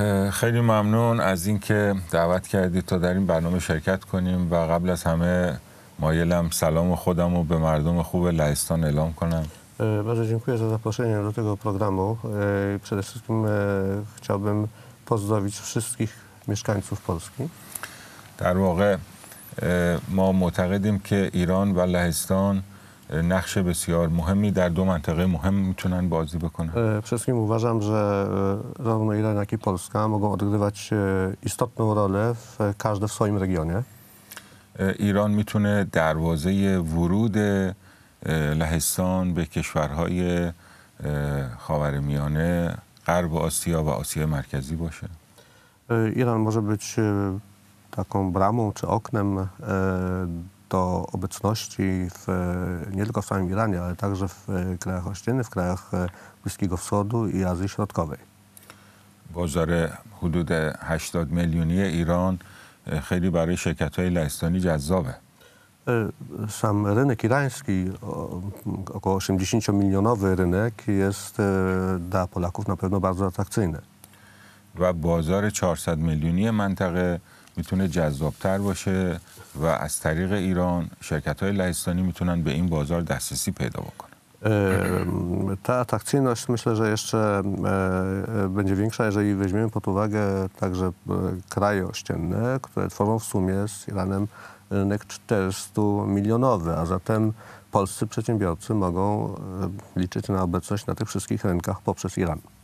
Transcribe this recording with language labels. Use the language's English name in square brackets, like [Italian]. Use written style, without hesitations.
[Persian] خیلی ممنون از اینکه دعوت کردید تا در این برنامه شرکت کنیم و قبل از همه مایلم سلام خودم رو به مردم خوب لهستان اعلام کنم. [Polish] Bardzo dziękuję za zaproszenie do tego programu. Przede wszystkim chciałbym pozdrowić wszystkich mieszkańców Polski. [Persian] در واقع ما معتقدیم که ایران و لهستان نقش بسیار مهمی در دو منطقه مهم میتونن بازی بکنن. [Polish] Wszystkim uważam, że zarówno Iran, jak i Polska mogą odgrywać istotną rolę każdy w swoim regionie. [Persian] Iran میتونه دروازه ورود لهستان به کشورهای خاورمیانه، غرب آسیا و آسیا مرکزی باشه. [Polish] Iran może być taką bramą czy oknem do obecności w, nie tylko w samym Iranie, ale także w krajach ościennych, w krajach Bliskiego Wschodu i Azji Środkowej. [Persian] بازار حدود 80 میلیونی ایران خیلی برای شرکت‌های لهستانی جذابه. [Polish] Sam rynek irański, około 80-milionowy rynek, jest dla Polaków na pewno bardzo atrakcyjny. [Persian] و بازار 400 میلیونی منطقه میتونه جذابتر باشه و از طریق ایران شرکت‌های لهستانی میتونن به این بازار دسترسی پیدا بکنن. [Polish] Ta atrakcyjność myślę, że jeszcze będzie większa, jeżeli weźmiemy pod uwagę także kraje ościenne, które tworzą w sumie z Iranem rynek 400-milionowy, a zatem polscy przedsiębiorcy mogą liczyć na obecność na tych wszystkich rynkach poprzez Iran.